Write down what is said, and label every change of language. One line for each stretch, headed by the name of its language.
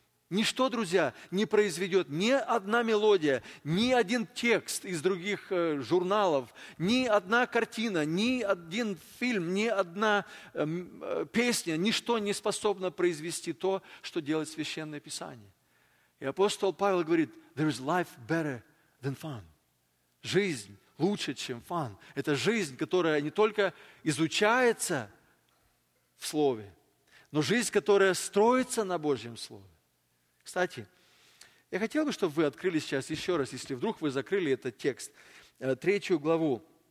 Russian: Ничто, друзья, не произведет ни одна мелодия, ни один текст из других журналов, ни одна картина, ни один фильм, ни одна песня, ничто не способно произвести то, что делает Священное Писание. И апостол Павел говорит:
English: there is life better than fun.
Russian: Жизнь лучше, чем фан. Это жизнь, которая не только изучается в Слове, но жизнь, которая строится на Божьем Слове. Кстати, я хотел бы, чтобы вы открыли сейчас еще раз, если вдруг вы закрыли этот текст, третью главу.